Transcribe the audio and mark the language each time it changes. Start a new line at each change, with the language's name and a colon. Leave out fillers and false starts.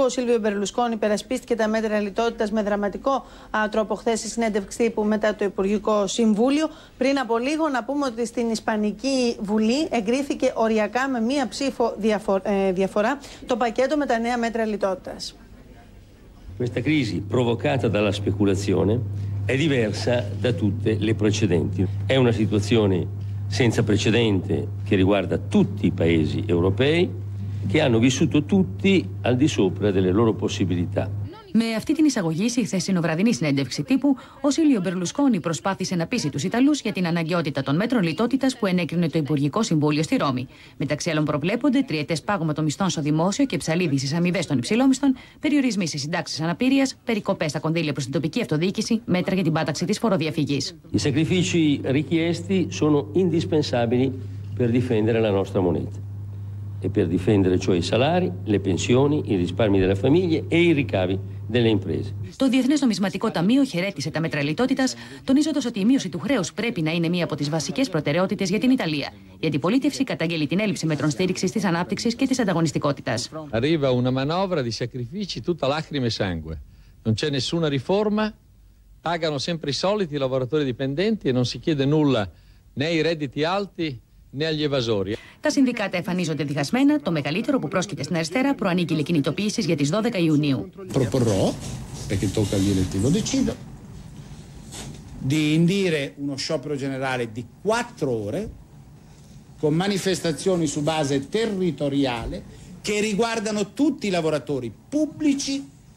Greek: Ο Σίλβιο Μπερλουσκόνη υπερασπίστηκε τα μέτρα λιτότητας με δραματικό τρόπο χθες στη συνέντευξη τύπου μετά το Υπουργικό Συμβούλιο. Πριν από λίγο, να πούμε ότι στην Ισπανική Βουλή εγκρίθηκε οριακά με μία ψήφο διαφορά το πακέτο με τα νέα μέτρα λιτότητας.
Italian: Questa crisi provocata dalla speculazione è diversa da tutte le precedenti. È una situazione senza precedente che riguarda tutti i paesi europei che hanno vissuto tutti al di sopra delle loro possibilità.
Greek: Με αυτή την εισαγωγή στη χθεσινοβραδινή συνέντευξη τύπου, ο Σίλβιο Μπερλουσκόνη προσπάθησε να πείσει τους Ιταλούς για την αναγκαιότητα των μέτρων λιτότητας που ενέκρινε το Υπουργικό Συμβούλιο στη Ρώμη. Μεταξύ άλλων προβλέπονται τριετές πάγωμα των μισθών στο δημόσιο και ψαλίδιση αμοιβές των υψηλόμισθων, περιορισμοί σε συντάξεις αναπήρειας, περικοπές στα κονδύλια προς την τοπική αυτοδιοίκηση, μέτρα για την πάταξη της φοροδιαφυγής.
Italian: Οι sacrifici richiesti sono indispensabili per difendere la nostra moneta. E per difendere cioè i salari, le pensioni, i risparmi delle famiglie e i ricavi delle imprese.
Greek: Το Διεθνές Νομισματικό Ταμείο χαιρέτησε τα μέτρα λιτότητας, τονίζοντας ότι η μείωση του χρέους πρέπει να είναι μία από τις βασικές προτεραιότητες για την Ιταλία. Η αντιπολίτευση καταγγέλει την έλλειψη μέτρων στήριξης της ανάπτυξης και της ανταγωνιστικότητας.
Italian: Arriva una manovra di sacrifici tutta lacrime e sangue. Non c'è nessuna riforma, pagano sempre i soliti lavoratori dipendenti e non si chiede nulla né ai redditi alti né agli evasori.
Greek: Τα συνδικάτα εμφανίζονται διχασμένα. Το μεγαλύτερο που πρόσκειται στην αριστερά προανήγγειλε κινητοποιήσεις για τις 12 Ιουνίου.
Italian: Προπορώ, perché tocca l'elettivo decido, di indire uno sciopero generale di 4 ore con manifestazioni su base territoriale che riguardano tutti i lavoratori pubblici.